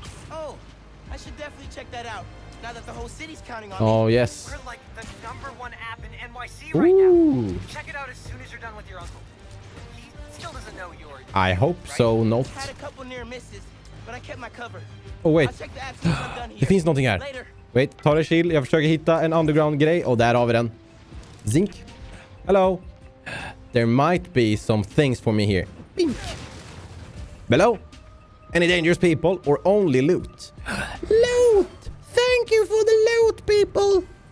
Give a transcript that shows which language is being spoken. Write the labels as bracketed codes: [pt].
[en] Oh, I should definitely check that out. Now that the whole city's counting on Oh, me. Yes. We're like the number one app in NYC Ooh. Right now. Check it out as soon as you're done with your uncle. He still doesn't know you're... I hope right? so, not. Had a couple near misses, but I kept my cover. Oh, wait. I'll check the app soon as I'm done here. [sv] Det finns någonting här. [en] Later. [sv] Wait, ta det chill. Jag försöker hitta en underground-grej. Och där har vi den. Zink. Hello. [en] There might be some things for me here. Bink. Hello? Any dangerous people or only loot? Loot! Thank you for the loot, people!